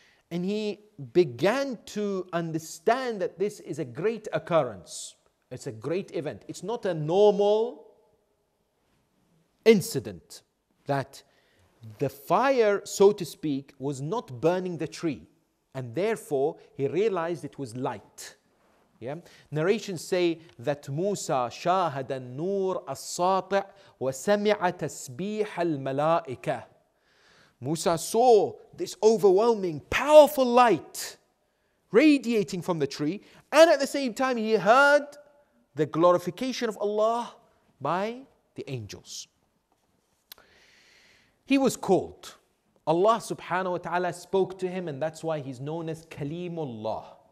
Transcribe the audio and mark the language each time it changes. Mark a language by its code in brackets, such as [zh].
[en] And he began to understand that this is a great occurrence. It's a great event. It's not a normal incident that the fire, so to speak, was not burning the tree. And therefore, he realized it was light. Yeah? Narrations say that Musa [ar] شاهد النور الساطع وسمع تسبيح الملائكة. [en] Musa saw this overwhelming, powerful light radiating from the tree. And at the same time, he heard the glorification of Allah by the angels. He was called. Allah subhanahu wa ta'ala spoke to him, and that's why he's known as Kalimullah.